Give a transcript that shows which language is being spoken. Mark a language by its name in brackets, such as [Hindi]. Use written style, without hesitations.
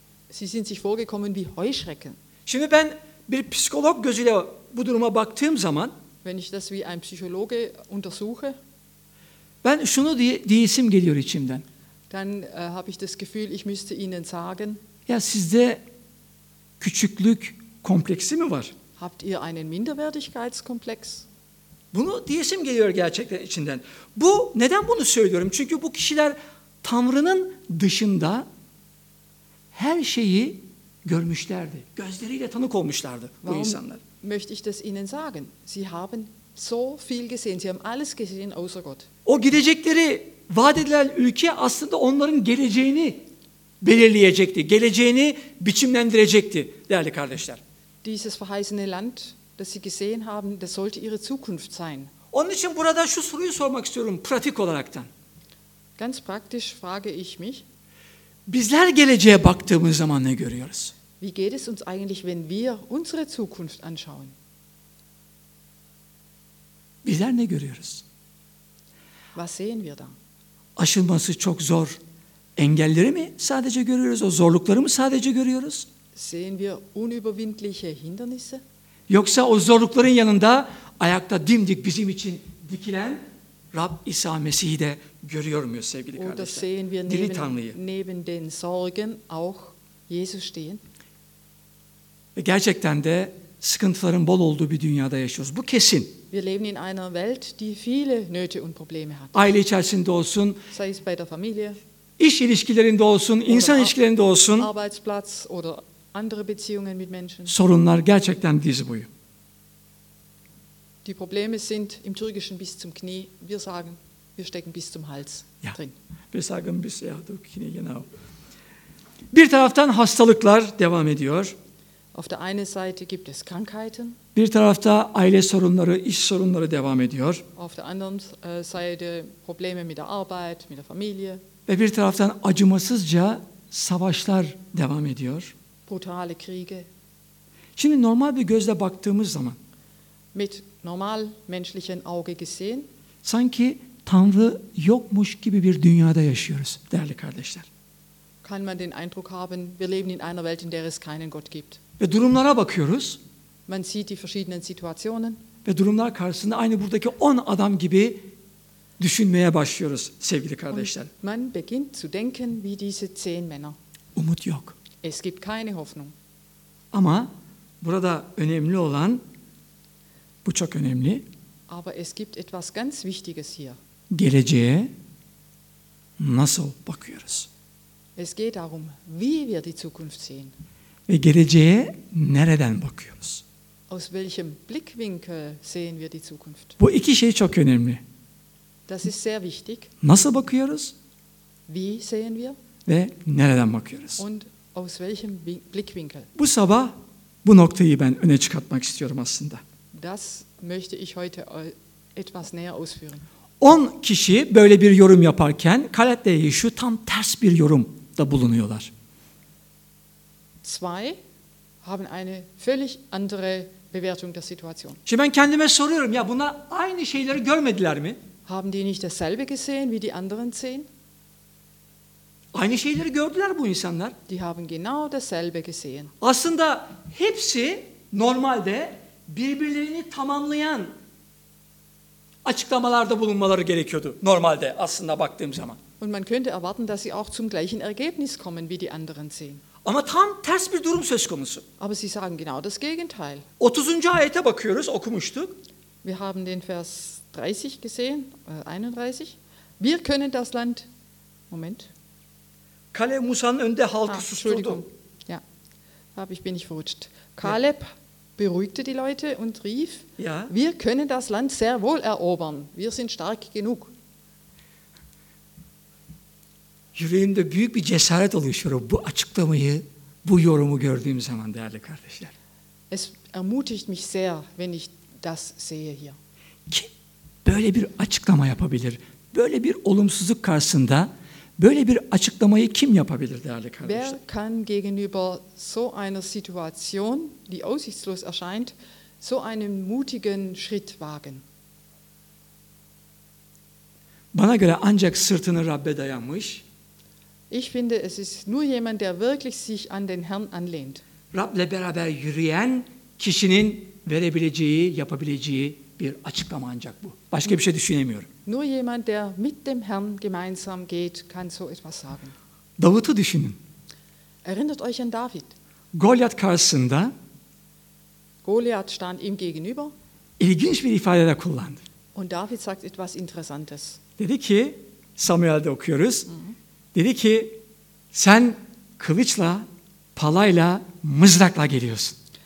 [German] Sie sind sich vorgekommen wie Heuschrecken. [Turkish] Şimdi ben bir psikolog gözüyle bu duruma baktığım zaman, [German] wenn ich das wie ein Psychologe untersuche, [Turkish] ben şunu diyesim geliyor içimden. [German] Dann habe ich das Gefühl, ich müsste Ihnen sagen. [Turkish] Ya sizde küçüklük kompleksi mi var? [German] Habt ihr einen Minderwertigkeitskomplex? [Turkish] Bunu diyesim geliyor gerçekten içinden. Bu neden bunu söylüyorum? Çünkü bu kişiler Tanrı'nın dışında her şeyi görmüşlerdi. Gözleriyle tanık olmuşlardı bu insanlar. [German] Möchte ich das Ihnen sagen? Sie haben so viel gesehen. Sie haben alles gesehen außer Gott. [Turkish] O gidecekleri vaat edilen ülke aslında onların geleceğini belirleyecekti. Geleceğini biçimlendirecekti değerli kardeşler. [German] Dieses verheißene Land, das Sie gesehen haben, das sollte Ihre Zukunft sein. [Turkish] Onun için burada şu soruyu sormak istiyorum pratik olaraktan. [German] Ganz praktisch frage ich mich. [Turkish] Bizler geleceğe baktığımız zaman ne görüyoruz? [German] Wie geht es uns eigentlich, wenn wir unsere Zukunft anschauen? [Turkish] Bizler ne görüyoruz? [German] Was sehen wir da? [Turkish] aşılması çok zor. Engelleri mi sadece görüyoruz, o zorlukları mı sadece görüyoruz? [German] Sehen wir unüberwindliche Hindernisse? [Turkish] Yoksa o zorlukların yanında ayakta dimdik bizim için dikilen Rab İsa Mesih'i de görüyor muyuz sevgili kardeşler? Diri Tanrı'yı. [German] Neben den Sorgen auch Jesus stehen? [Turkish] Ve gerçekten de sıkıntıların bol olduğu bir dünyada yaşıyoruz. Bu kesin. [German] Wir leben in einer Welt, die viele Nöte und Probleme hat. [Turkish] Aile içerisinde olsun. [German] Sei es bei der Familie. [Turkish] İş ilişkilerinde olsun, insan ilişkilerinde olsun. [German] Arbeitsplatz oder andere Beziehungen mit Menschen. [Turkish] Sorunlar gerçekten diz boyu. [German] Die Probleme sind im Türkischen bis zum Knie. Wir sagen, wir stecken bis zum Hals ja. drin. Wir sagen bis ja, du Knie, genau. [Turkish] Bir taraftan hastalıklar devam ediyor. [German] Auf der einen Seite gibt es Krankheiten. [Turkish] Bir tarafta aile sorunları, iş sorunları devam ediyor. [German] Auf der anderen Seite Probleme mit der Arbeit, mit der Familie. [Turkish] Ve bir taraftan acımasızca savaşlar devam ediyor. [German] Brutale Kriege. [Turkish] Şimdi normal bir gözle baktığımız zaman [German] mit normal menschlichen Auge gesehen [Turkish] sanki Tanrı yokmuş gibi bir dünyada yaşıyoruz değerli kardeşler. [German] Kann man den Eindruck haben, wir leben in einer Welt, in der es keinen Gott gibt. [Turkish] Ve durumlara bakıyoruz. [German] Man sieht die verschiedenen Situationen. [Turkish] Ve durumlar karşısında aynı buradaki 10 adam gibi düşünmeye başlıyoruz sevgili kardeşler. [German] Und man beginnt zu denken wie diese 10 Männer. [Turkish] Umut yok. [German] Es gibt keine Hoffnung. [Turkish] Ama burada önemli olan bu çok önemli. [German] Aber es gibt etwas ganz wichtiges hier. [Turkish] Geleceğe nasıl bakıyoruz? [German] Es geht darum, wie wir die Zukunft sehen. [Turkish] Ve geleceğe nereden bakıyoruz? [German] Aus welchem Blickwinkel sehen wir die Zukunft? [Turkish] Bu iki şey çok önemli. [German] Das ist sehr wichtig. [Turkish] Nasıl bakıyoruz? [German] Wie sehen wir? [Turkish] Ve nereden bakıyoruz? [German] Und aus welchem Blickwinkel? [Turkish] Bu sabah bu noktayı ben öne çıkartmak istiyorum aslında. [German] Das möchte ich heute etwas näher ausführen. [Turkish] 10 kişi böyle bir yorum yaparken kalpleri şu tam ters bir yorumda bulunuyorlar. [German] 2 haben eine völlig andere Bewertung der Situation. [Turkish] Şimdi ben kendime soruyorum ya bunlar aynı şeyleri görmediler mi? [German] Haben die nicht dasselbe gesehen wie die anderen 10? [Turkish] Aynı şeyleri gördüler bu insanlar. [German] Die haben genau dasselbe gesehen. [Turkish] Aslında hepsi normalde birbirlerini tamamlayan açıklamalarda bulunmaları gerekiyordu normalde aslında baktığım zaman. [German] Und man könnte erwarten, dass sie auch zum gleichen Ergebnis kommen wie die anderen 10. [Turkish] Ama tam ters bir durum söz konusu. [German] Aber sie sagen genau das Gegenteil. [Turkish] 30. ayete bakıyoruz, okumuştuk. [German] Wir haben den Vers 30 gesehen, 31. Wir können das Land. Moment. [Turkish] Kale Musa'nın önünde halkı susturdu. [German] Entschuldigung. Ja. Habe ich bin ich verrutscht. Kaleb beruhigte die Leute und rief: ja. Wir können das Land sehr wohl erobern. Wir sind stark genug. [Turkish] Yüreğimde büyük bir cesaret oluşuyor bu açıklamayı, bu yorumu gördüğüm zaman değerli kardeşler. [German] Es ermutigt mich sehr, wenn ich das sehe hier. [Turkish] Kim böyle bir açıklama yapabilir? Böyle bir olumsuzluk karşısında böyle bir açıklamayı kim yapabilir değerli kardeşler? [German] Wer kann gegenüber so einer Situation, die aussichtslos erscheint, so einen mutigen Schritt wagen? [Turkish] Bana göre ancak sırtını Rabbe dayamış. [German] Ich finde, es ist nur jemand, der wirklich sich an den Herrn anlehnt. [Turkish] Rab'le beraber yürüyen kişinin verebileceği, yapabileceği bir açıklama ancak bu. Başka bir şey düşünemiyorum. [German] Nur jemand, der mit dem Herrn gemeinsam geht, kann so etwas sagen. [Turkish] Davut'u düşünün. [German] Erinnert euch an David. [Turkish] Goliath karşısında. [German] Goliath stand ihm gegenüber. [Turkish] İlginç bir ifade de kullandı. [German] Und David sagt etwas Interessantes. [Turkish] Dedi ki, Samuel'de okuyoruz. Dedi ki, sen kılıçla, palayla, mızrakla geliyorsun.